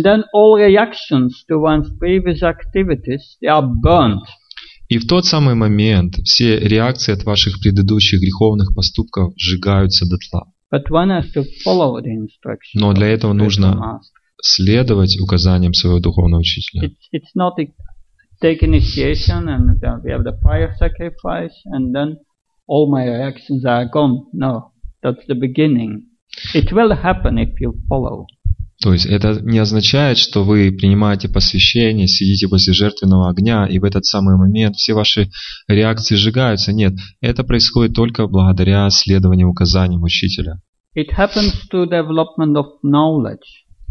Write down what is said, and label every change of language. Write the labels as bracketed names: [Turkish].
[English] And then all reactions to one's previous activities, they are burnt. [Russian] И в тот самый момент все реакции от ваших предыдущих греховных поступков сжигаются дотла. [English] But one has to follow the instructions. [Russian] Но для этого нужно следовать указаниям своего духовного учителя. [English] It's not take initiation and we have the fire sacrifice and then all my reactions are gone. No, that's the beginning. It will happen if you follow. [Russian] То есть это не означает, что вы принимаете посвящение, сидите возле жертвенного огня и в этот самый момент все ваши реакции сжигаются. Нет, это происходит только благодаря следованию указаниям учителя. [English] It happens through development of knowledge.